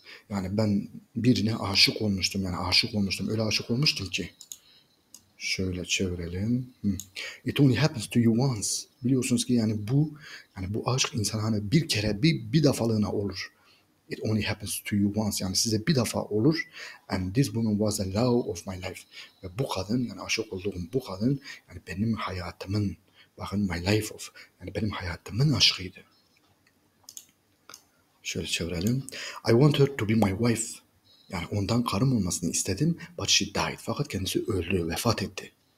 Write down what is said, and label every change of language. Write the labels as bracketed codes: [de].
[tr] Yani ben birine aşık olmuştum, yani aşık olmuştum, öyle aşık olmuştum ki. Şöyle çevirelim. [en] It only happens to you once. [tr] Biliyorsunuz ki yani bu aşk insana hani bir kere bir defalığına olur. [en] It only happens to you once. [tr] Yani size bir defa olur. [en] And this woman was the love of my life. [tr] Ve bu kadın, yani aşık olduğum bu kadın, yani benim hayatımın, bakın [en] my life of, [tr] yani benim hayatımın aşkıydı. Şöyle çevirelim. [en] I want her to be my wife. [tr] Yani ondan karım olmasını istedim. [en] But she died. [tr] Fakat kendisi öldü, vefat etti.